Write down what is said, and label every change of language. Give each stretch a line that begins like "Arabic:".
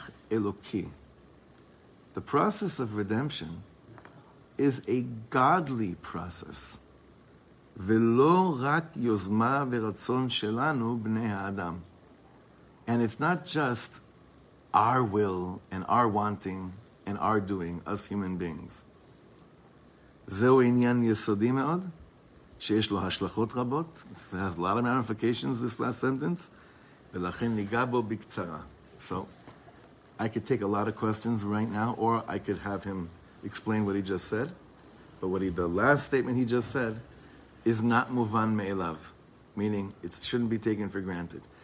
English: The process of redemption is a godly process.
Hebrew: ולא רק יוזמה ורצון שלנו בני האדם.
English: And it's not just our will and our wanting and our doing, us human beings.
Hebrew: זהו עניין יסודי מאוד, שיש לו השלכות רבות.
English: It has a lot of ramifications, this last sentence.
Hebrew: ולכן ניגע בו בקצרה.
English: So, I could take a lot of questions right now, or I could have him explain what he just said. But the last statement he just said is not
Hebrew: מובן מאליו,
English: meaning it shouldn't be taken for granted.